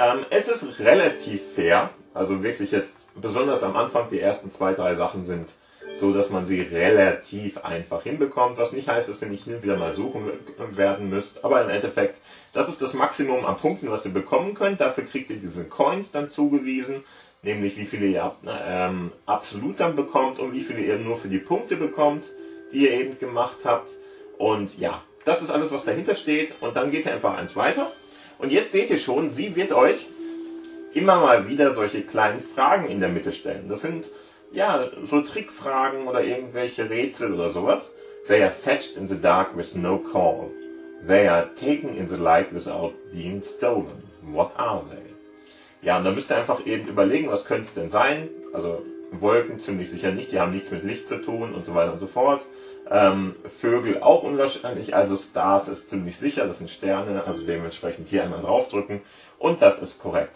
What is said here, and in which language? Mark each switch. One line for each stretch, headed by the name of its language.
German: Es ist relativ fair, also wirklich jetzt besonders am Anfang, die ersten zwei, drei Sachen sind so, dass man sie relativ einfach hinbekommt, was nicht heißt, dass ihr nicht hin und wieder mal suchen werden müsst, aber im Endeffekt, das ist das Maximum an Punkten, was ihr bekommen könnt, dafür kriegt ihr diese Coins dann zugewiesen, nämlich wie viele ihr absolut dann bekommt und wie viele ihr nur für die Punkte bekommt, die ihr eben gemacht habt und ja, das ist alles, was dahinter steht und dann geht ihr einfach eins weiter. Und jetzt seht ihr schon, sie wird euch immer mal wieder solche kleinen Fragen in der Mitte stellen. Das sind, ja, so Trickfragen oder irgendwelche Rätsel oder sowas.
English: They are fetched in the dark with no call. They are taken in the light without being stolen. What are they?
German: Ja, und da müsst ihr einfach eben überlegen, was könnte es denn sein? Also Wolken ziemlich sicher nicht, die haben nichts mit Licht zu tun und so weiter und so fort. Vögel auch unwahrscheinlich, also Stars ist ziemlich sicher, das sind Sterne, also dementsprechend hier einmal draufdrücken und das ist korrekt.